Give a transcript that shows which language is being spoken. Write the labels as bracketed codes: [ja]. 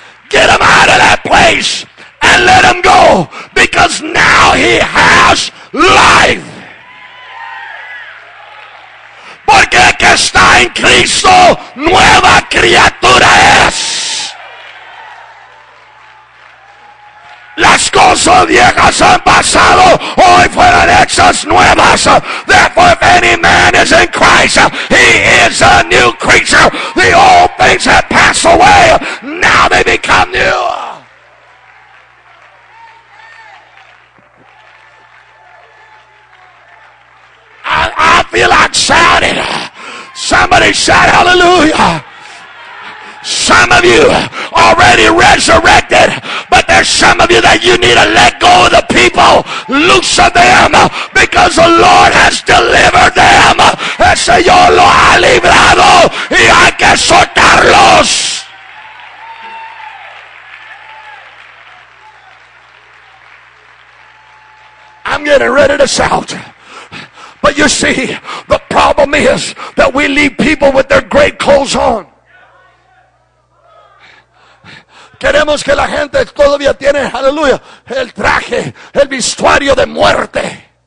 [en] Get him out of that place and let him go, because now he has us life. [es] Porque el que está en Cristo, nueva criatura es. Las cosas viejas han pasado, hoy fueron hechas nuevas. [en] Therefore, if any man is in Christ, he is a new creature. The old things have passed away, now they become new. I feel like shouting. Somebody shout hallelujah. Some of you already resurrected, but there's some of you that you need to let go of the people, loose of them, because the Lord has delivered them. [es] El Señor lo ha librado y hay que soltarlos. [en] I'm getting ready to shout. But you see, the problem is that we leave people with their great clothes on. [es] Queremos que la gente todavía tiene, aleluya, el traje, el vestuario de muerte.